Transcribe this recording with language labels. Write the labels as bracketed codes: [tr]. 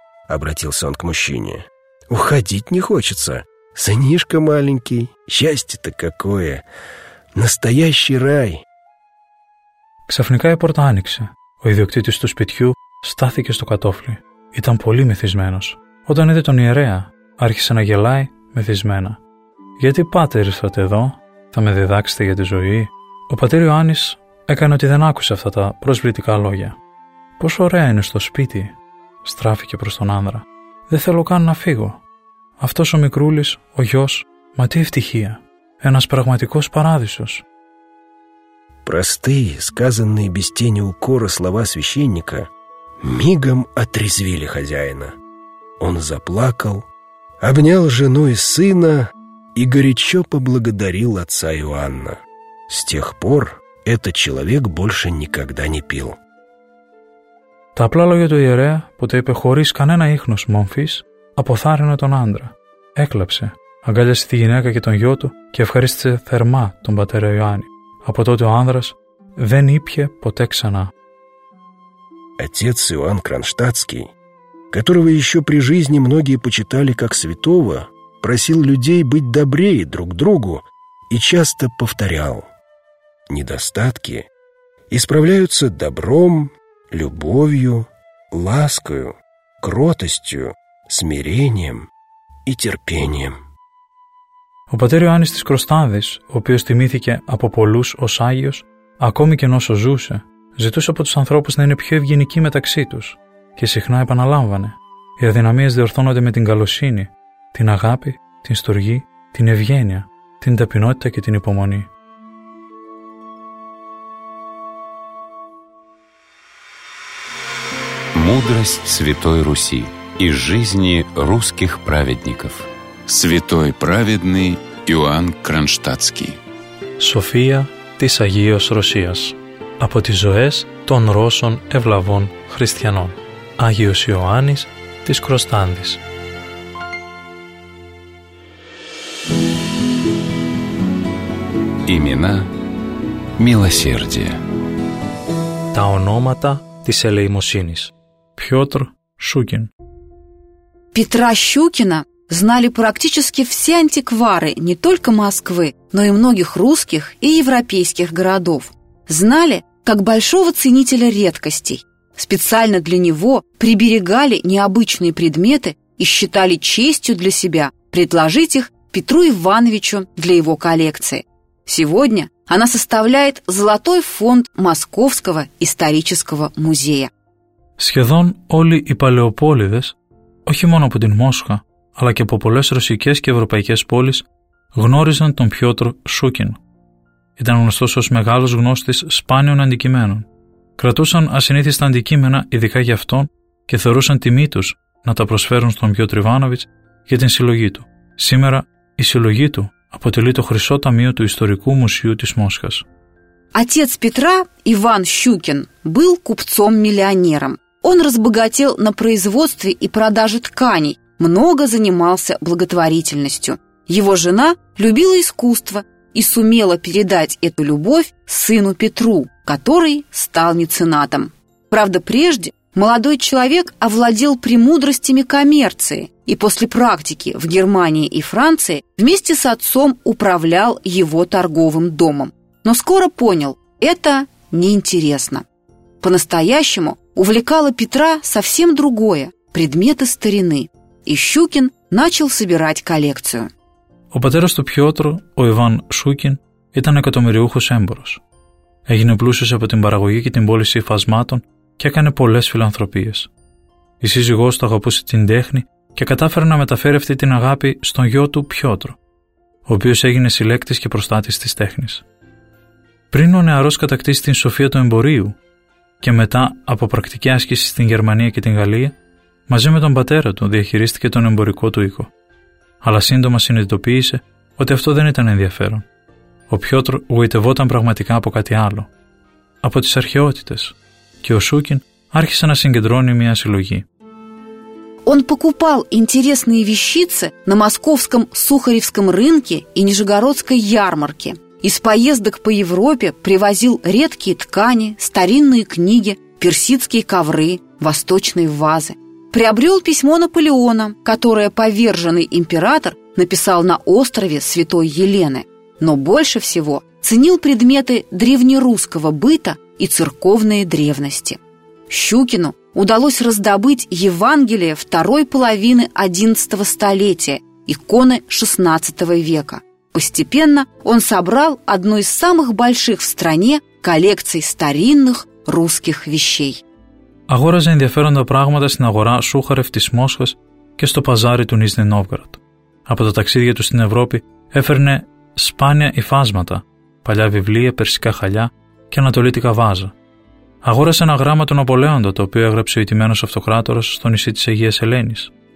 [ru] — обратился он к мужчине. «Уходить не хочется. Сынишка маленький. Счастье-то какое! Настоящий рай!» [el] Ксафника и порта аникса. У идиоктитис ту спитью стафике сту катофли. Ήταν πολύ μεθυσμένος. Όταν είδε τον ιερέα, άρχισε να γελάει μεθυσμένα. «Γιατί, πάτερ, ήρθατε εδώ? Θα με διδάξετε για τη ζωή?» Ο πατήρ Ιωάννης έκανε ότι δεν άκουσε αυτά τα προσβλητικά λόγια. «Πόσο ωραία είναι στο σπίτι!» στράφηκε προς τον άνδρα. «Δεν θέλω καν να φύγω. Αυτός ο μικρούλης, ο γιος, μα τι ευτυχία! Ένας πραγματικός παράδεισος!» [ru] Простые, сказанные без тени укора слова священника мигом отрезвили хозяина. Он заплакал, обнял жену и сына и горячо поблагодарил отца Иоанна. С тех пор этот человек больше никогда не пил. [el] Τα απλά λόγια του ιερέα που τα είπε χωρίς κανένα ίχνος μόμφης αποθάρρυνε τον άντρα. Έκλαψε, αγκάλιασε τη γυναίκα και τον γιο του και ευχαρίστησε θερμά τον πατέρα Ιωάννη. Από τότε ο άνδρας δεν ήπιε ποτέ ξανά. [ru] Отец Иоанн Кронштадтский, которого еще при жизни многие почитали как святого, просил людей быть добрее друг к другу и часто повторял: «Недостатки исправляются добром, любовью, ласкою, кротостью, смирением и терпением». [el] Ο πατήρ Ιωάννης της Κροστάδης, ο οποίος τιμήθηκε από πολλούς ως Άγιος, ακόμη και ενώ ζούσε, ζητούσε από τους ανθρώπους να είναι πιο ευγενικοί μεταξύ τους και συχνά επαναλάμβανε: «Οι αδυναμίες διορθώνονται με την καλοσύνη, την αγάπη, την στοργή, την ευγένεια, την ταπεινότητα και την υπομονή». [ru] Мудрость Святой Руси и жизни русских праведников. Святой праведный Иоанн Кронштадтский. [el] София της Αγίας Ρωσίας. Από τις ζωές των Ρώσων ευλαβών χριστιανών. Άγιος Ιωάννης της Κροστάνδης. [ru] Имена милосердия. [el] Τα ονόματα της ελεημοσύνης. [ru] Пётр Щукин. Петра Щукина знали практически все антиквары не только Москвы, но и многих русских и европейских городов. Знали как большого ценителя редкостей. Специально для него приберегали необычные предметы и считали честью для себя предложить их Петру Ивановичу для его коллекции. Сегодня она составляет золотой фонд Московского исторического музея. [el] Сχεδόν όλοι οι παλαιοπόλυδες, όχι μόνο από την Μόσχα, αλλά και από πολλές ρωσικές και ευρωπαϊκές πόλεις, γνώριζαν τον Πιότρο Σούκιν. Ήταν γνωστός ως μεγάλος γνώστης σπάνιων αντικειμένων. Κρατούσαν ασυνήθιστα αντικείμενα ειδικά για αυτόν και θεωρούσαν τιμή τους να τα προσφέρουν στον Πιότρ Ιβάνοβιτς για την συλλογή του. Σήμερα η συλλογή του αποτελεί το χρυσό ταμείο του Ιστορικού Μουσείου της Μόσχας. [ru] Отец Петра, Иван Щукин, был купцом-миллионером. Он разбогател на производстве и продаже тканей, много занимался благотворительностью. Его жена любила искусство и сумела передать эту любовь сыну Петру, который стал меценатом. Правда, прежде молодой человек овладел премудростями коммерции и после практики в Германии и Франции вместе с отцом управлял его торговым домом. Но скоро понял – это неинтересно. По-настоящему увлекало Петра совсем другое – предметы старины. И Щукин начал собирать коллекцию. [el] Ο πατέρας του Πιότρου, ο Ιβάν Σούκιν, ήταν εκατομμυριούχος έμπορος. Έγινε πλούσιος από την παραγωγή και την πώληση υφασμάτων και έκανε πολλές φιλανθρωπίες. Η σύζυγός του αγαπούσε την τέχνη και κατάφερε να μεταφέρει αυτή την αγάπη στον γιο του Πιότρο, ο οποίος έγινε συλλέκτης και προστάτης της τέχνης. Πριν ο νεαρός κατακτήσει την σοφία του εμπορίου και μετά από πρακτική άσκηση στην Γερμανία και την Γαλλία, μαζί με τον πατέρα του διαχειρίστηκε τον εμπορικό του οίκο. Αλλά σύντομα συνειδητοποίησε ότι αυτό δεν ήταν ενδιαφέρον. Ο Πιότρ γοητευόταν πραγματικά από κάτι άλλο. Από τις αρχαιότητες. Και ο Σούκιν άρχισε να συγκεντρώνει μια συλλογή. [ru] Он покупал интересные вещицы на московском Сухаревском рынке и Нижегородской ярмарке. Из поездок по Европе привозил редкие ткани, старинные книги, персидские ковры, восточные вазы. Приобрел письмо Наполеона, которое поверженный император написал на острове Святой Елены. Но больше всего ценил предметы древнерусского быта и церковные древности. Щукину удалось раздобыть Евангелие второй половины XI столетия, иконы XVI века. Постепенно он собрал одну из самых больших в стране коллекций старинных русских вещей. [el] Αγόραζε ενδιαφέροντα πράγματα στην αγορά Σούχαρεφ της Μόσχας και στο παζάρι του Νίζνη Νόβγαρατ. Από τα ταξίδια του στην Ευρώπη έφερνε σπάνια υφάσματα, παλιά βιβλία, περσικά χαλιά και ανατολίτικα βάζα. Αγόρασε ένα γράμμα του Ναπολέοντα, το οποίο έγραψε ο ηττημένος αυτοκράτορας στο νησί της Αγίας Ελένης.